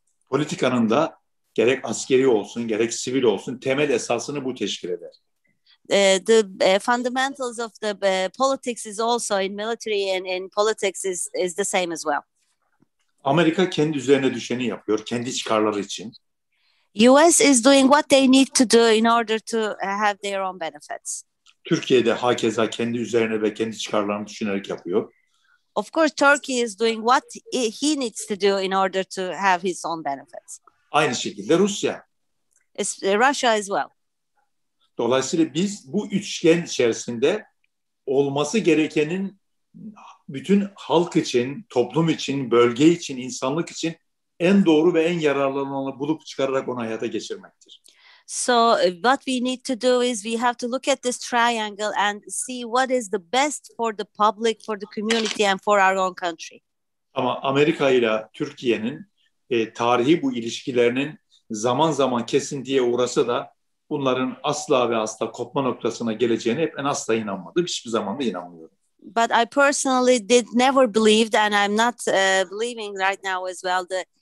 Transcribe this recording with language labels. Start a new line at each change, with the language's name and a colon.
Turkish: Politikanın da gerek askeri olsun gerek sivil olsun temel esasını bu teşkil eder.
English: The fundamentals of the politics is also in military and in politics is the same as well.
Turkish: Amerika kendi üzerine düşeni yapıyor kendi çıkarları için.
English: U.S. is doing what they need to do in order to have their own benefits.
Turkish: Türkiye'de hakeza kendi üzerine ve kendi çıkarlarını düşünerek yapıyor.
English: Of course, Turkey is doing what he needs to do in order to have his own benefits.
Turkish: Aynı şekilde Rusya.
English: Russia as well.
Turkish: Dolayısıyla biz bu üçgen içerisinde olması gerekenin bütün halk için, toplum için, bölge için, insanlık için en doğru ve en yararlı olanı bulup çıkararak onu hayata geçirmektir.
English: So what we need to do is we have to look at this triangle and see what is the best for the public, for the community and for our own country.
Turkish: Ama Amerika ile Türkiye'nin tarihi bu ilişkilerinin zaman zaman kesintiye uğrasa da bunların asla ve asla kopma noktasına geleceğine hep en asla inanmadım. Hiçbir zaman da inanmıyorum.
English: But I personally never believed and I'm not believing right now as well the